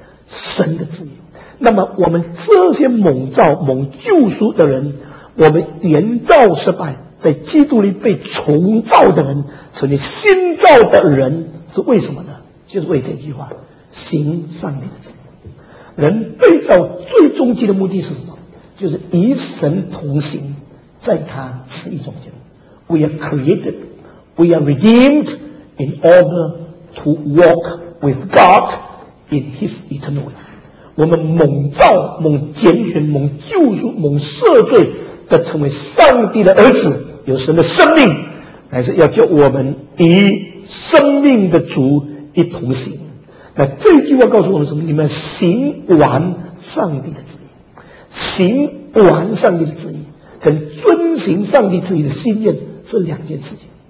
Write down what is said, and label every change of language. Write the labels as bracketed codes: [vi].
[zh] 神的旨意，那么我们这些蒙召蒙救赎的人，我们原造失败，在基督里被重造的人，成为新造的人，是为什么呢？就是为这句话，行上帝的旨意。人被造最终极的目的是什么？就是与神同行，在他旨意中间。 [en] We are created, we are redeemed in order to walk with God in his eternal way。 [zh] 我们蒙造蒙拣选蒙救赎蒙赦罪的成为上帝的儿子，有神的生命，乃是要叫我们与生命的主一同行。那这句话告诉我们什么？你们行完上帝的旨意，行完上帝的旨意跟遵行上帝旨意的心愿是两件事情。